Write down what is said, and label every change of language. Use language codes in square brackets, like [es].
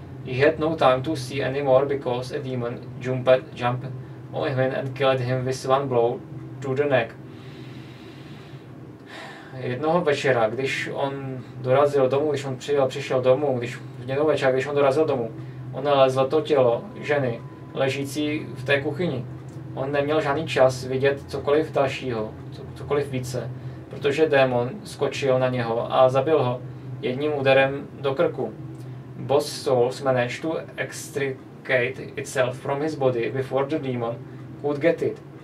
[en] He had no time to see anymore because a demon jumped on him and killed him with one blow to the neck. [cs] Jednoho večera, když on dorazil domů, když on přišel domů, když jednoho večera, když on dorazil domů, on nalezl to tělo ženy ležící v té kuchyni. On neměl žádný čas vidět cokoliv dalšího, cokoliv více, protože démon skočil na něho a zabil ho jedním úderem do krku. [en] Boss souls managed to extricate itself from his body before the demon could get it.